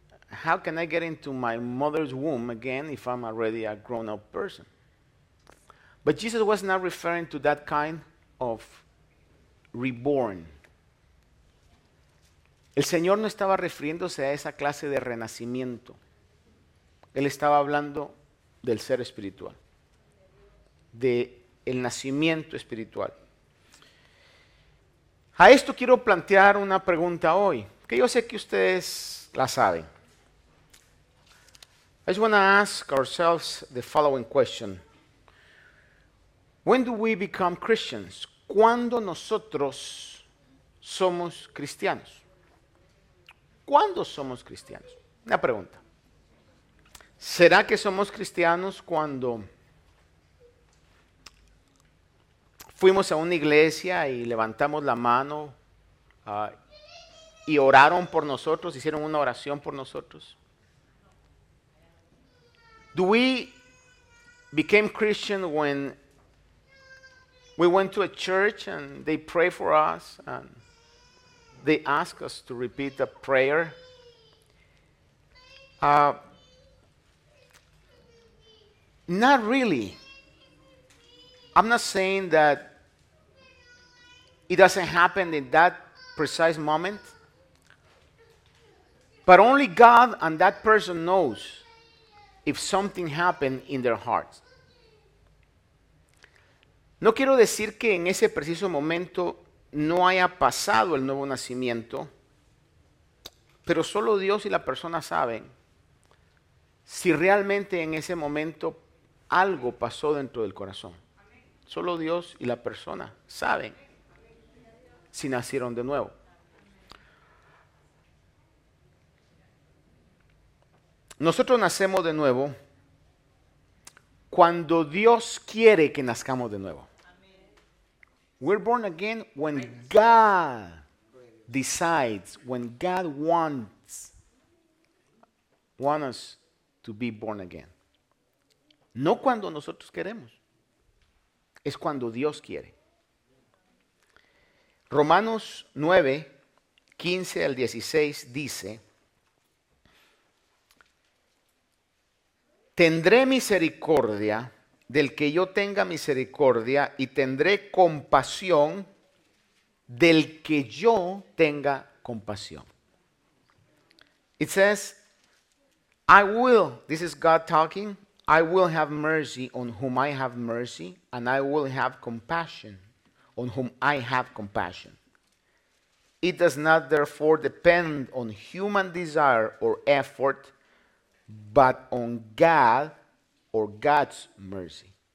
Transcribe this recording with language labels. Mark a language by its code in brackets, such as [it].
[en] How can I get into my mother's womb again if I'm already a grown-up person? But Jesus was not referring to that kind of reborn. [es] El Señor no estaba refiriéndose a esa clase de renacimiento. Él estaba hablando del ser espiritual, del nacimiento espiritual. A esto quiero plantear una pregunta hoy, que yo sé que ustedes la saben. [en] I just want to ask ourselves the following question. When do we become Christians? [es] ¿Cuándo nosotros somos cristianos? ¿Cuándo somos cristianos? Una pregunta. ¿Será que somos cristianos cuando fuimos a una iglesia y levantamos la mano y oraron por nosotros, hicieron una oración por nosotros? [en] Do we became Christian when we went to a church and they pray for us and they ask us to repeat a prayer? Not really. I'm not saying that it doesn't happen in that precise moment. But only God and that person knows if something happened in their hearts. [es] No quiero decir que en ese preciso momento no haya pasado el nuevo nacimiento, pero solo Dios y la persona saben si realmente en ese momento algo pasó dentro del corazón. Solo Dios y la persona saben si nacieron de nuevo. Nosotros nacemos de nuevo cuando Dios quiere que nazcamos de nuevo. [en] We're born again when God decides, when God wants us to be born again. [es] No cuando nosotros queremos, es cuando Dios quiere. Romanos 9, 15 al 16 dice: tendré misericordia del que yo tenga misericordia y tendré compasión del que yo tenga compasión. [en] It says, I will, this is God talking, I will have mercy on whom I have mercy and I will have compassion on whom I have compassion. It does not therefore depend on human desire or effort, but on God or God's mercy.